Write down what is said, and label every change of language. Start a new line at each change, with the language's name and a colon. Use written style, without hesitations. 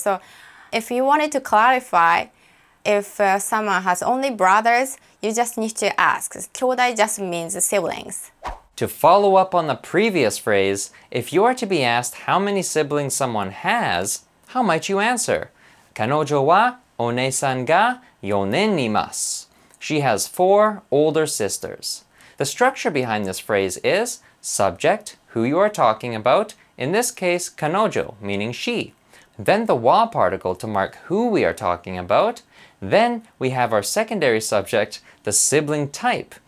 English: So if you wanted to clarify if someone has only brothers, you just need to ask. 兄弟 just means siblings. To follow up on the previous phrase, if you are to be asked how many siblings someone has, how might you answer?
Japanese: 彼女はお姉さんが4人います.
English: She has four older sisters. The structure behind this phrase is subject, who you are talking about, in this case, 彼女, meaning she. Then the wa particle to mark who we are talking about. Then we have our secondary subject, the sibling type.